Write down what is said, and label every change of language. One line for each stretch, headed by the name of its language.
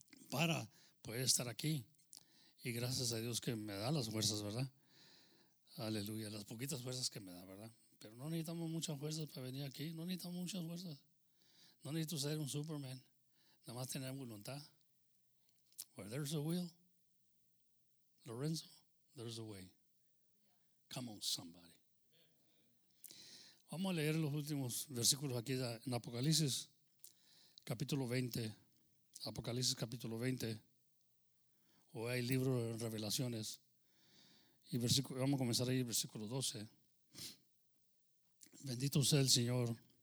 Spanish: Para poder estar aquí. Y gracias a Dios que me da las fuerzas, ¿verdad? Aleluya, las poquitas fuerzas que me da, ¿verdad? Pero no necesitamos muchas fuerzas para venir aquí. No necesitamos muchas fuerzas. No necesito ser un Superman. Nada más tener voluntad.
English: Where there's a will, Lorenzo, there's a way. Come on, somebody.
Spanish: Vamos a leer los últimos versículos aquí en Apocalipsis, capítulo 20. Apocalipsis, capítulo 20. O hay libro de Revelaciones. Y vamos a comenzar ahí, versículo 12. Bendito sea el Señor.